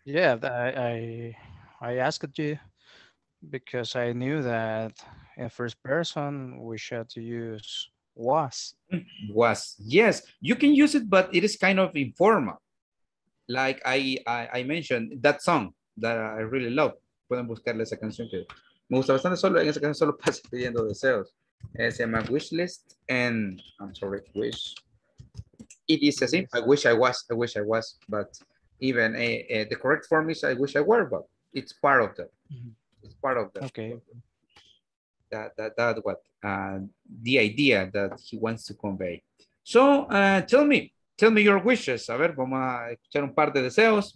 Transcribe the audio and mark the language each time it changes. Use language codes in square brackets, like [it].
[en] Yeah, I asked you because I knew that in first person, we should use was. Was, yes. You can use it, but it is kind of informal. Like I mentioned that song that I really love. [es] Pueden buscarle esa canción que me gusta bastante. Solo en esa canción solo pasa pidiendo deseos. Se llama [en] Wishlist, and I'm sorry, wish. It is [es] así. [en] I wish I was, but even the correct form is I wish I were, but it's part of that. It's part of that. Okay. That the idea that he wants to convey. So tell me, tell me your wishes. [es] A ver, vamos a escuchar un par de deseos.